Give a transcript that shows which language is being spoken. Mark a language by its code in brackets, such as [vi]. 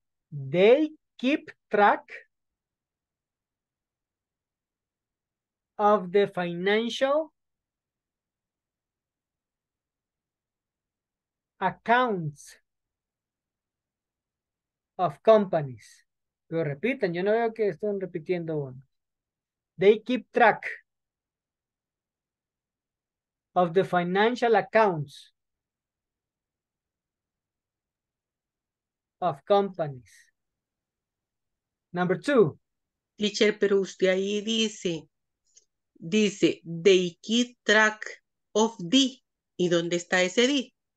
[en] They keep track of the financial accounts of companies. [es] Lo repiten, yo no veo que estén repitiendo uno. [en] They keep track of the financial accounts of companies. Number two. [es] Teacher, pero usted ahí dice, [en] they keep track of the, [es] ¿y dónde está ese the?